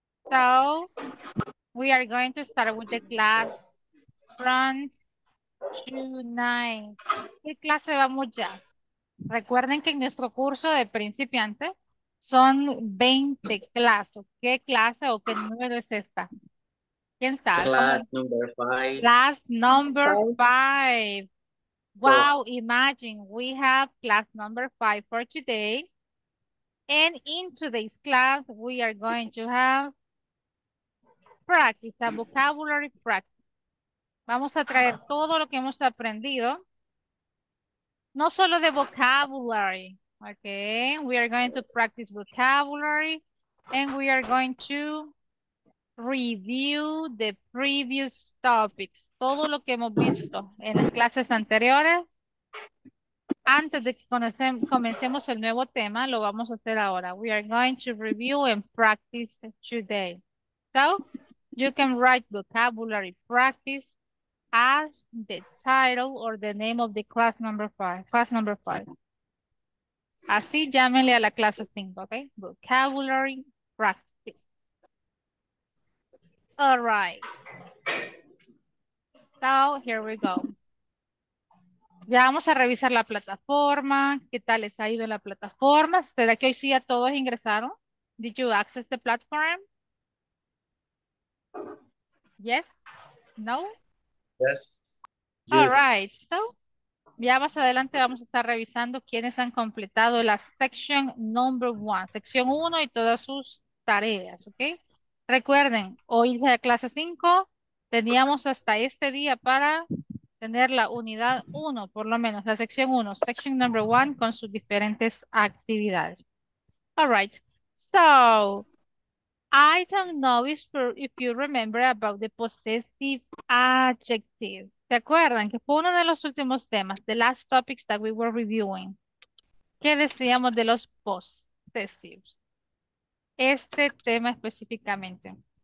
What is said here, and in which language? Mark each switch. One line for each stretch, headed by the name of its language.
English: So we are going to start with the class front tonight.
Spanish: ¿Qué clase vamos ya? Recuerden que en nuestro curso de principiantes son 20 clases. ¿Qué clase o qué número es esta? ¿Quién sabe?
English: Class
Spanish: ¿Cómo?
English: number Class five. number five. Four. Wow, imagine we have class number five for today. And in today's class, we are going to have practice, a vocabulary practice.
Spanish: Vamos a traer todo lo que hemos aprendido, no solo de vocabulary.
English: Okay, we are going to practice vocabulary and we are going to review the previous topics.
Spanish: Todo lo que hemos visto en las clases anteriores, antes de que comencemos el nuevo tema, lo vamos a hacer ahora.
English: We are going to review and practice today. So, you can write vocabulary practice as the title or the name of the class number five. Class number five.
Spanish: Así llámele a la clase 5, ¿ok?
English: Vocabulary practice. All right. So, here we go.
Spanish: Ya vamos a revisar la plataforma. ¿Qué tal les ha ido en la plataforma? ¿Será que hoy sí a todos ingresaron?
English: Did you access the platform? Yes? No? Yes. All right.
Spanish: So, ya más adelante vamos a estar revisando quiénes han completado la section number one, sección 1 y todas sus tareas, ¿ok? Recuerden, hoy es la clase 5, teníamos hasta este día para tener la unidad 1, por lo menos la sección 1, section number 1, con sus diferentes actividades.
English: All right, so, I don't know if you remember about the possessive adjectives.
Spanish: ¿Te acuerdan? Que fue uno de los últimos temas,
English: the last topics that we were reviewing.
Spanish: ¿Qué decíamos de los possessives? Este tema específicamente.